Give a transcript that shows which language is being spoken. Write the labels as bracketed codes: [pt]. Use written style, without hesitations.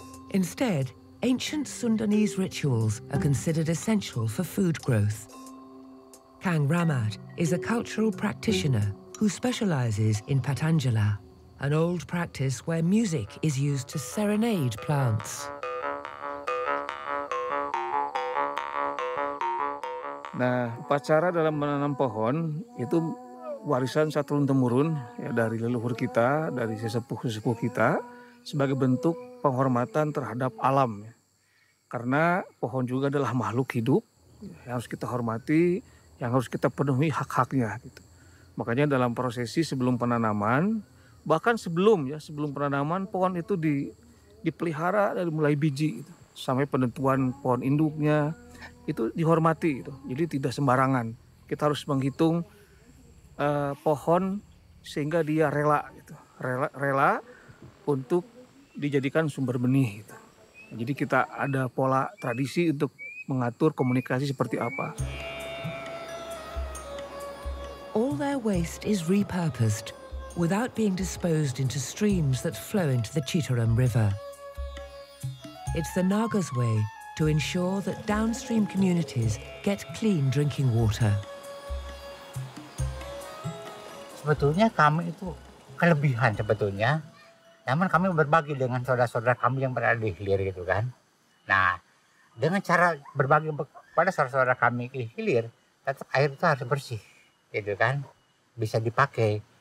[en] Instead, ancient Sundanese rituals are considered essential for food growth. Kang Ramat is a cultural practitioner who specializes in patanjala, an old practice where music is used to serenade plants. [id] Nah, upacara dalam menanam pohon itu warisan satu turun temurun ya, dari leluhur kita, dari sesepuh-sesepuh kita sebagai bentuk penghormatan terhadap alam. Karena pohon juga adalah makhluk hidup yang harus kita hormati, yang harus kita penuhi hak-haknya gitu. Makanya dalam prosesi sebelum penanaman, bahkan sebelum ya sebelum penanaman, pohon itu dipelihara dari mulai biji gitu, sampai penentuan pohon induknya itu dihormati gitu. Jadi tidak sembarangan, kita harus menghitung pohon sehingga dia rela gitu, rela untuk dijadikan sumber benih gitu. Jadi kita ada pola tradisi untuk mengatur komunikasi seperti apa. [en] All their waste is repurposed without being disposed into streams that flow into the Citarum River. It's the Naga's way to ensure that downstream communities get clean drinking water. [id] Sebetulnya kami itu kelebihan sebetulnya. Namun kami berbagi dengan saudara-saudara kami yang berada di hilir gitu kan. Nah, dengan cara berbagi pada saudara-saudara kami di hilir, tetap air itu harus bersih gitu kan. Bisa dipakai.